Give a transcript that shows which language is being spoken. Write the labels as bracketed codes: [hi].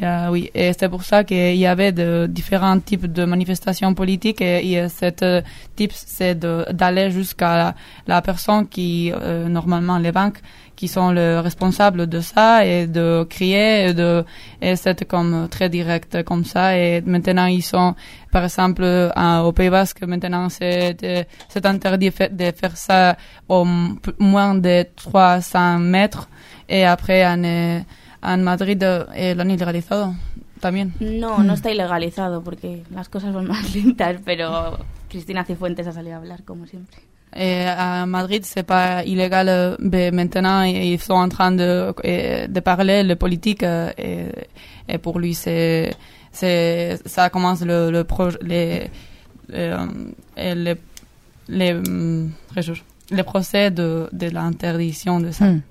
[fr] Oui, et c'est pour ça qu'il y avait de différents types de manifestations politiques et cette type, c'est d'aller jusqu'à la personne qui, normalement les banques, qui sont le responsable de ça et de crier et c'est comme très direct comme ça. Et maintenant, ils sont, par exemple, au Pays Basque, maintenant, c'est interdit de faire ça au moins de 300 mètres. Et après, [es] en Madrid, lo han ilegalizado también. No, no está ilegalizado porque las cosas van más lentas, pero Cristina Cifuentes ha salido a hablar, como siempre. [fr] À Madrid, c'est pas illégal, mais maintenant ils sont en train de parler le politique et pour lui c'est ça commence le procès de l'interdiction de ça.